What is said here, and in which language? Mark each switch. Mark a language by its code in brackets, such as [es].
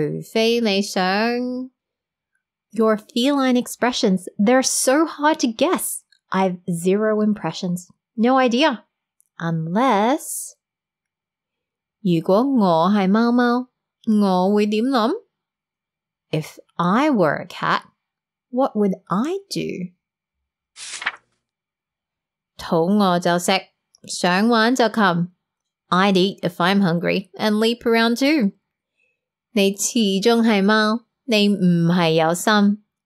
[zh] 我很难了解你这样的猫样。我不明白你要什么,除非你想… [en] Your feline expressions, they're so hard to guess. I've zero impressions. No idea. Unless… [zh] 如果我是猫猫, 我会怎么想? [en] If I were a cat, what would I do? [zh] 肚饿就吃,想玩就 [en] come. I'd eat if I'm hungry and leap around too. [zh] 你始终是猫,你不是有心.